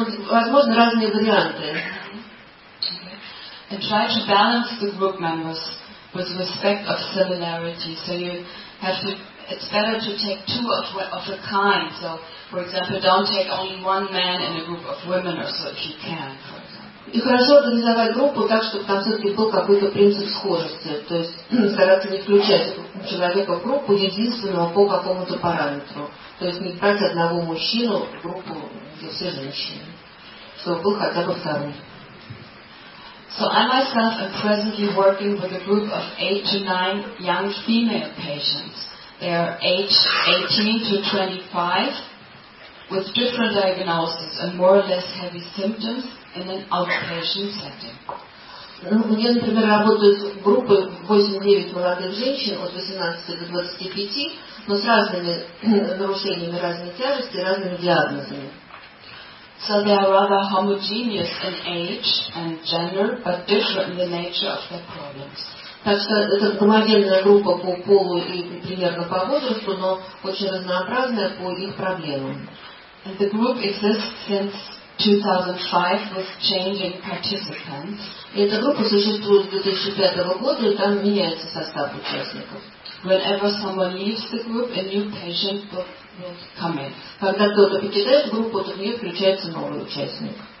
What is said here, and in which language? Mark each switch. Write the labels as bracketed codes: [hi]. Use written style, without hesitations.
[ru] возможно, разные варианты. [en] And try to balance the group members with respect of similarity. So you have to, it's better to take two of a kind. So, for example, don't take only one man in a group of women or so if you can, for example. [ru] И хорошо организовать группу так, чтобы там все-таки был какой-то принцип схожести. То есть стараться не включать человека в группу единственного по какому-то параметру. То есть не брать одного мужчину в группу, где все женщины. Чтобы был хотя бы второй. [en] So I myself am presently working with a group of 8 to 9 young female patients. They are aged 18 to 25 with different diagnoses and more or less heavy symptoms in an outpatient setting. [ru] Я, например, работаю с группой 8-9 молодых женщин от 18 до 25, но с разными нарушениями разной тяжести, разными диагнозами. [en] So they are rather homogeneous in age and gender, but different in the nature of their problems. [ru] Так что это гомогенная группа по полу и примерно по возрасту, но очень разнообразная по их проблемам. [en] And the group exists since 2005 with changing participants. [ru] И эта группа существует с 2005 года, и там меняется состав участников. [en] Whenever someone leaves the group, a new patient will come in. [ru] Когда кто-то покидает группу, то в нее включается новый участник.